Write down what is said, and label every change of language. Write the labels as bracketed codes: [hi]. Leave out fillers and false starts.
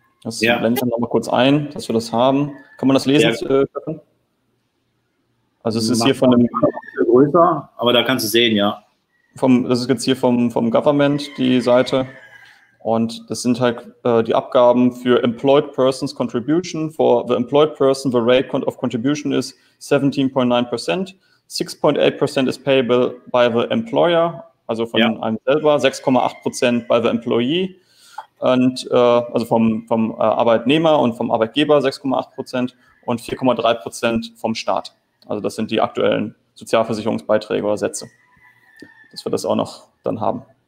[de] Das blende ich dann nochmal kurz ein, dass wir das haben. Kann man das lesen? Also es ist hier von dem größer, aber da kannst du sehen, ja. Das ist jetzt hier vom Government die Seite. Und das sind halt die Abgaben für Employed Persons Contribution. [en] For the Employed Person, the rate of contribution is 17.9%. 6.8% is payable by the employer, [de] also von einem selber. [en] 6,8% by the employee. [de] Und also vom Arbeitnehmer und vom Arbeitgeber 6,8% und 4,3% vom Staat. Also das sind die aktuellen Sozialversicherungsbeiträge oder Sätze, dass wir das auch noch dann haben.